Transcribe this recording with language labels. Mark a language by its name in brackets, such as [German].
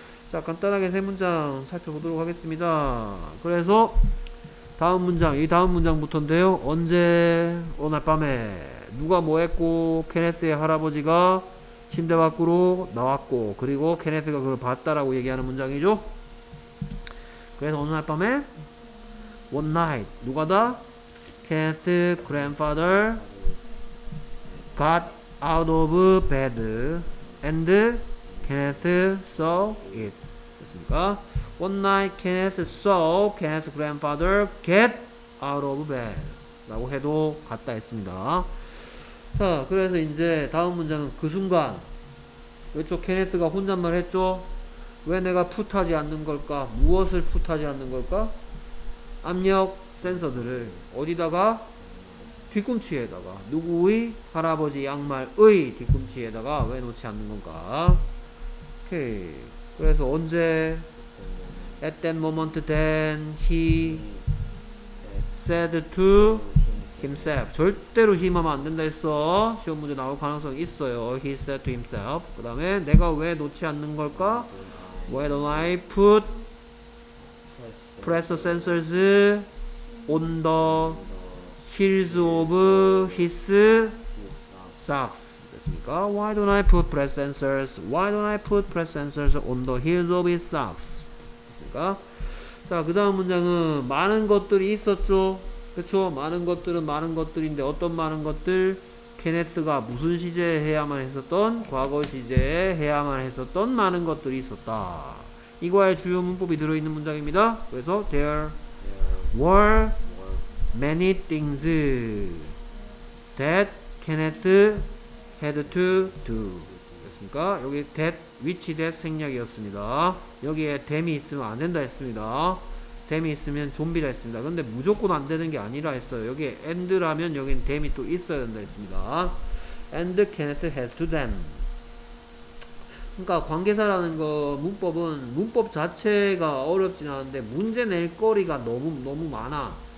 [Korean] 자 간단하게 세 문장 살펴보도록 하겠습니다. 그래서 다음 문장, 이 다음 문장부터인데요. 언제, 오늘 밤에 누가 뭐 했고 케네스의 할아버지가 침대 밖으로 나왔고 그리고 케네스가 그걸 봤다라고 얘기하는 문장이죠. 그래서 오늘 밤에 [English] one night [Korean] 누가다? [English] 케네스 grandfather got out of bed and Kenneth saw it. [Korean] 됐습니까? [English] One night Kenneth saw Kenneth's grandfather get out of bed [Korean] 라고 해도 같다 했습니다. 자 그래서 이제 다음 문장은 그 순간 왜죠 Kenneth가 혼잣말 했죠? 왜 내가 풋하지 않는 걸까? 무엇을 풋하지 않는 걸까? 압력 센서들을 어디다가? 뒤꿈치에다가 누구의? 할아버지 양말의 뒤꿈치에다가 왜 놓지 않는 건가? 오케이 그래서 언제 [English] At that moment, then he said to himself. [Korean] 절대로 him 하면 안 된다 했어. 시험 문제 나올 가능성이 있어요. [English] He said to himself. [Korean] 그 다음에 내가 왜 놓지 않는 걸까? [English] Why don't I put pressure sensors on the heels of his socks? [Korean] 됐습니까? [English] Why don't I put pressure sensors? Why don't I put pressure sensors on the heels of his socks? [Korean] 자 그 다음 문장은 많은 것들이 있었죠. 그쵸? 많은 것들은 많은 것들인데 어떤 많은 것들? 케네스가 무슨 시제에 해야만 했었던? 과거 시제에 해야만 했었던 많은 것들이 있었다. 이거의 주요 문법이 들어있는 문장입니다. 그래서 [English] There were many things that Kenneth had to do. [Korean] 됐습니까? 여기 that which that 생략이었습니다. 여기에 댐이 있으면 안 된다 했습니다. 댐이 있으면 좀비라 했습니다. 근데 무조건 안 되는 게 아니라 했어요. 여기에 and라면 여긴 댐이 또 있어야 된다 했습니다. [English] And Kenneth had to them. [Korean] 그러니까 관계사라는 거 문법은 문법 자체가 어렵진 않은데 문제 낼 거리가 너무 많아.